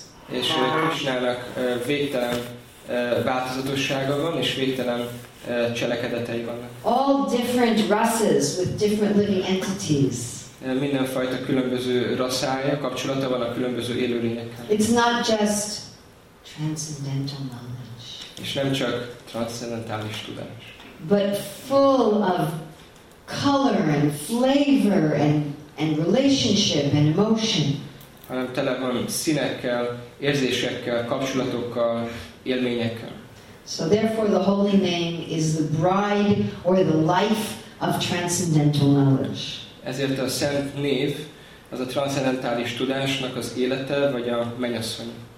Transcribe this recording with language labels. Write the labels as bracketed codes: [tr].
[hu] És Krishnának végtelen változatossága van, és végtelen cselekedetei vannak. [en] All different rasas with different living entities. [hu] Mindenfajta különböző rasszája, kapcsolata van a különböző élőlényekkel. [en] It's not just transcendental knowledge. [hu] És nem csak transzcendentális tudás. [en] But full of color and flavor and relationship and emotion. [hu] Hanem tele van színekkel, érzésekkel, kapcsolatokkal, élményekkel. [en] So therefore the holy name is the bride or the life of transcendental knowledge. [hu] Ezért a szent név az a transzcendentális tudásnak az élete vagy a mennyasszony.